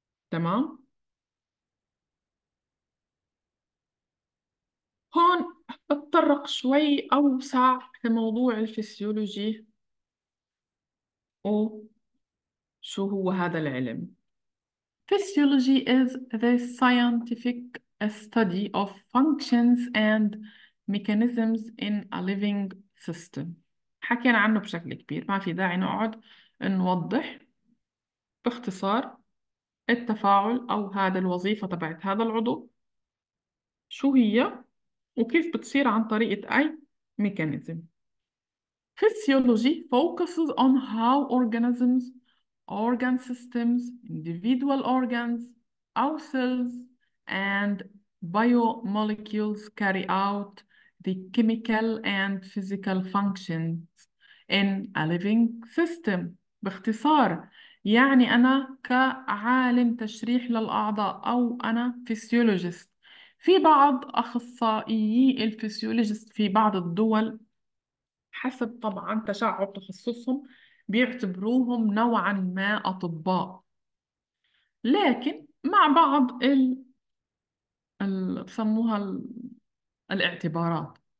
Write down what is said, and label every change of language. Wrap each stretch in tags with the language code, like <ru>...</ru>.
<ar>تمام، هون اتطرق شوي أوسع في موضوع الفسيولوجي وشو هو هذا العلم.</ar> <en>Physiology is the scientific study of functions and mechanisms in a living system.</en> <ar>حكينا عنه بشكل كبير، ما في داعي نقعد نوضح. باختصار التفاعل أو هذا الوظيفة تبعت هذا العضو شو هي وكيف بتصير عن طريقة أي ميكانيزم.</ar> <en>Physiology focuses on how organisms, organ systems, individual organs, our cells, and biomolecules carry out the chemical and physical functions in a living system.</en> <ar>باختصار يعني أنا كعالم تشريح للأعضاء أو أنا فيسيولوجيست، في بعض أخصائيي الفيسيولوجيست في بعض الدول حسب طبعا تشعب تخصصهم بيعتبروهم نوعا ما أطباء، لكن مع بعض بسموها الاعتبارات.</ar>